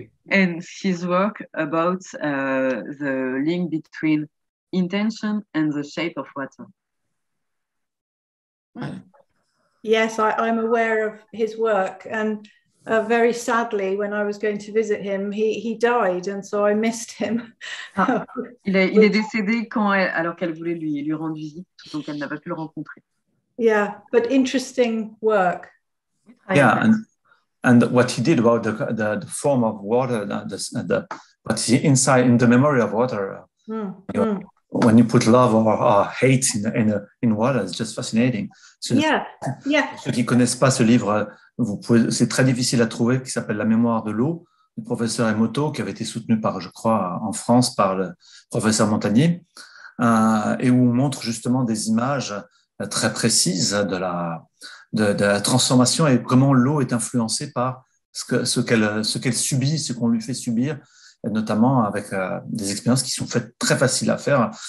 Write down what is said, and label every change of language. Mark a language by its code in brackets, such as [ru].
[en] And his work about the link between intention and the shape of water. Yes, I'm aware of his work. And very sadly, when I was going to visit him, he died. And so I missed him. [fr] il est décédé alors qu'elle voulait lui rendre visite, donc elle n'a pas pu le rencontrer. [en] Yeah, but interesting work. Yeah. And what he did about the form of water, the what's inside in the memory of water, when you put love or hate in water, it's just fascinating. [fr] Ceux qui connaissent pas ce livre, c'est très difficile à trouver, qui s'appelle La mémoire de l'eau, du professeur Emoto, qui avait été soutenu par, je crois, en France, par le professeur Montagnier, et où on montre justement des images très précises de la transformation et comment l'eau est influencée par ce qu'elle subit, ce qu'on lui fait subir, notamment avec des expériences qui sont faites très faciles à faire.